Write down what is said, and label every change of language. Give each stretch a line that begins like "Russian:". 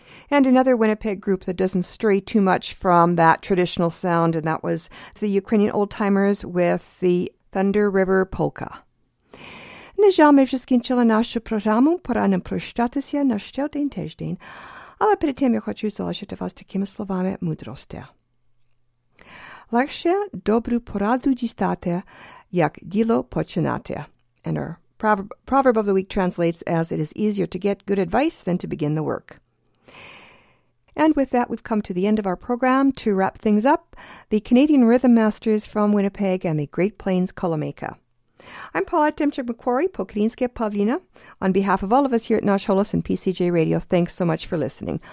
English: and another Winnipeg group that doesn't stray too much from that traditional sound, and that was the Ukrainian Old Timers with the Thunder River Polka.
Ukrainian: Нежалме вжескінчила нашу програму, пора нам прощатися на ще один тиждень, але перед тим я хочу залишити вас такими словами мудрості. Легше добру пораду дістати, як діло починати.
English: And our proverb of the week translates as, it is easier to get good advice than to begin the work. And with that, we've come to the end of our program. To wrap things up, the Canadian Rhythm Masters from Winnipeg and the Great Plains Kolomeka. I'm Paulette Demchuk-McQuarrie, Pokrinjska Pavlina. On behalf of all of us here at Nosh Holos and PCJ Radio, thanks so much for listening.